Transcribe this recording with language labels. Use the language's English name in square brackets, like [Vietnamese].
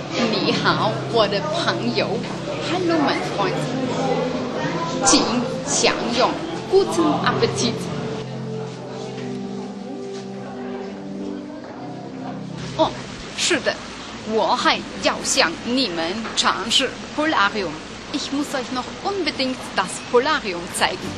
[Chinese] 你好，我的朋友 ， [English] Hello, my friend， [Chinese] 请享用 ， [German] Guten Appetit。 [Chinese] 哦，是的，我还要向你们尝试 Polarium。 [German] Ich muss euch noch unbedingt das Polarium zeigen。